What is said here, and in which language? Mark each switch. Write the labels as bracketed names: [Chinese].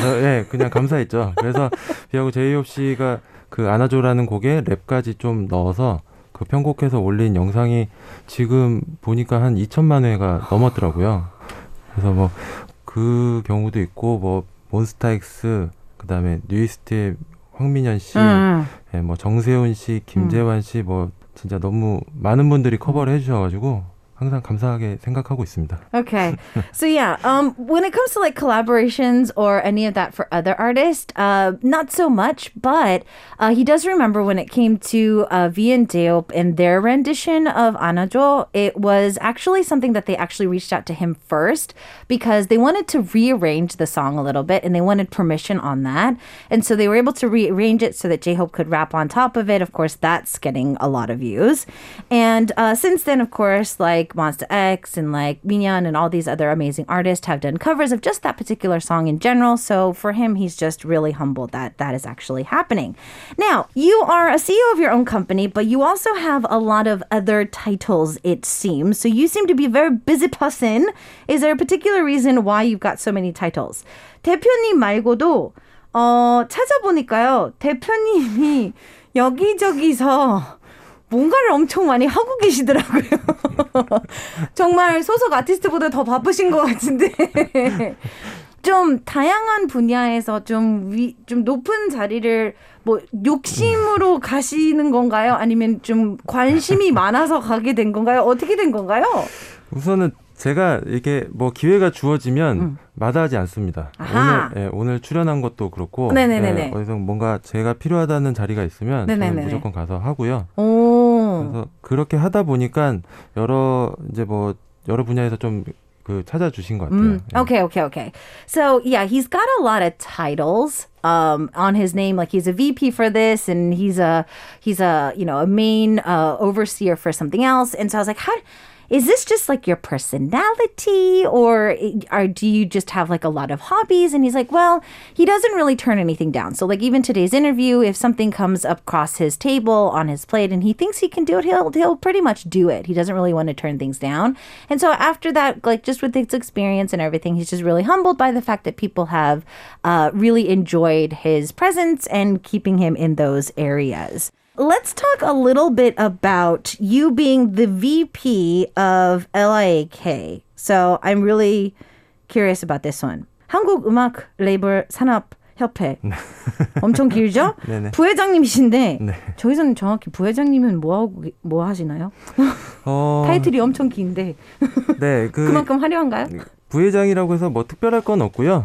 [Korean] 그래서, 예, 그냥 감사했죠. 그래서 비하고 제이홉 씨가 그 아나조라는 곡에 랩까지 좀 넣어서 그 편곡해서 올린 영상이 지금 보니까 한 2천만 회가 넘었더라고요. 그래서 뭐 그 경우도 있고 뭐 몬스타엑스 그다음에 뉴이스트의 황민현 씨, 예, 뭐 정세훈 씨, 김재환 씨 뭐 진짜 너무 많은 분들이 커버를 해주셔가지고. 항상 감사하게 생각하고 있습니다. [English] Okay. So yeah, when it comes to like collaborations or any of that for other artists, not so much, but he does remember when it came to V and Daeop and their rendition of Anajo, it was actually something that they actually reached out to him first because they wanted to rearrange the song a little bit and they wanted permission on that. And so they were able to rearrange it so that J-Hope could rap on top of it. Of course, that's getting a lot of views. And since then, of course, like Monster X and like Minyeon and all these other amazing artists have done covers of just that particular song in general. So for him, he's just really humbled that that is actually happening. Now, you are a CEO of your own company, but you also have a lot of other titles, it seems. So you seem to be a very busy person. Is there a particular reason why you've got so many titles? [Korean] 대표님 말고도 찾아보니까요. 대표님이 여기저기서 뭔가를 엄청 많이 하고 계시더라고요. 정말 소속 아티스트보다 더 바쁘신 것 같은데 좀 다양한 분야에서 좀 높은 자리를 뭐 욕심으로 가시는 건가요? 아니면 좀 관심이 많아서 가게 된 건가요? 어떻게 된 건가요? 우선은 제가 이렇게 뭐 기회가 주어지면 마다하지 않습니다. 오늘 출연한 것도 그렇고 네네네네. 어디서 뭔가 제가 필요하다는 자리가 있으면 네네네네. 저는 무조건 가서 하고요. 오. 그래서 그렇게 하다 보니까 여러 이제 뭐 여러 분야에서 좀 그 찾아주신 것 같아요. [English] Okay, okay, okay. So yeah, he's got a lot of titles on his name. Like he's a VP for this, and he's a you know a main overseer for something else. And so I was like, how? Is this just like your personality or do you just have like a lot of hobbies? And he's like, well, he doesn't really turn anything down. So like even today's interview, if something comes up across his table on his plate and he thinks he can do it, he'll pretty much do it. He doesn't really want to turn things down. And so after that, like just with his experience and everything, he's just really humbled by the fact that people have really enjoyed his presence and keeping him in those areas. Let's talk a little bit about you being the VP of LIAK. So I'm really curious about this one. [Korean] 한국 음악 레이블 산업 협회. 엄청 길죠? 네네. 부회장님이신데 네. 저희는 정확히 부회장님은 뭐 하시나요? 타이틀이 엄청 긴데. 네, 그만큼 화려한가요? 부회장이라고 해서 뭐 특별할 건 없고요.